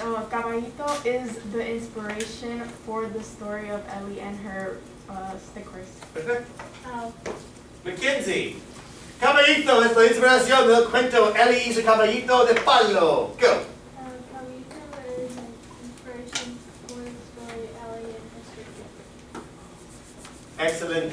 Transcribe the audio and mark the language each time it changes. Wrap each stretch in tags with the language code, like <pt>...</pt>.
<en>Caballito is the inspiration for the story of Ellie and her stick horse.</en> <es>Mackenzie, Caballito es la inspiración del cuento Ellie y su caballito de palo.</es> <en>Go. Caballito is the inspiration for the story Ellie and her</en>